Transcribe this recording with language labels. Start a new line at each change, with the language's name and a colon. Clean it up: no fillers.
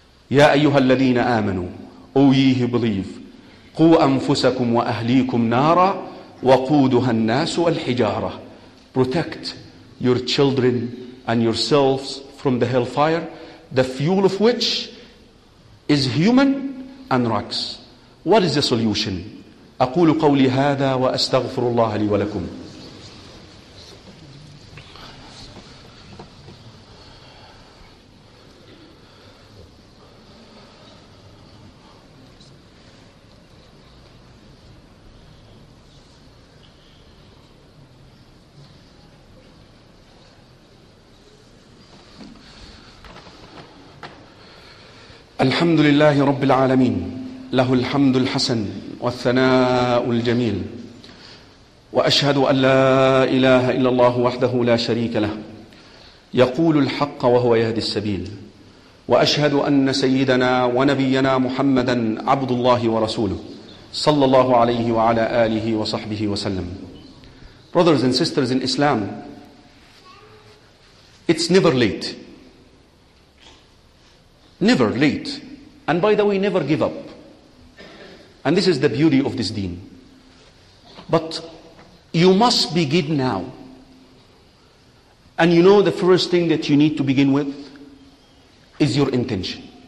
Arabic: يا أيها الذين آمنوا,
English: O ye who believe,
Arabic: قو أنفسكم وأهليكم نارا وقودها الناس والحجارة.
English: Protect your children and yourselves from the hellfire, the fuel of which is human and rocks. What is the solution?
Arabic: أقول قولي هذا وأستغفر الله لي ولكم. الحمد لله رب العالمين له الحمد الحسن والثناء الجميل وأشهد أن لا إله إلا الله وحده لا شريك له يقول الحق وهو يهدي السبيل وأشهد أن سيدنا ونبينا محمدًا عبد الله ورسوله صلى الله عليه وعلى آله وصحبه وسلم.
English: Brothers and sisters in Islam, it's never late. Never late. And by the way, never give up. And this is the beauty of this deen. But you must begin now. And you know the first thing that you need to begin with is your intention.